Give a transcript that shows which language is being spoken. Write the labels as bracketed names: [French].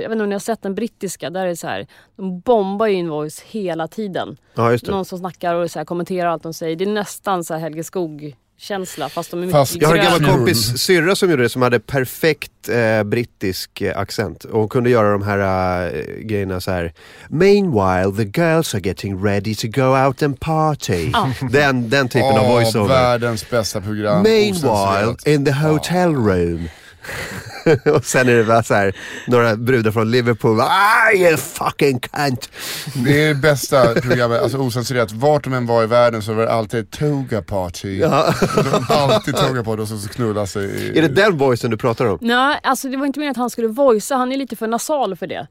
[Swedish] Jag vet inte om ni har sett den brittiska, där är det så här, de bombar ju in voice hela tiden. Ja, just det. Någon som snackar och så här, kommenterar allt de säger. Det är nästan så här Helge Skog-känsla, fast de är mycket grön. Jag har en gammal kompis, Syrra, som gjorde det, som hade perfekt brittisk accent. Och hon kunde göra de här grejerna så här. [English] Meanwhile, the girls are getting ready to go out and party. [Swedish] Ja. Den typen av voiceover. Världens bästa program. [English] Meanwhile, in the hotel room. [Swedish] Och sen är det bara så här, några brudar från Liverpool. [English] Ah, you fucking cunt. [Swedish] Det är det bästa programmet. Alltså osensurerat, vart de än var i världen så var det alltid toga party. Ja. Alltid toga party och så knullar sig. Är det den voicen du pratar om? Nej, alltså det var inte meningen att han skulle voice. Han är lite för nasal för det.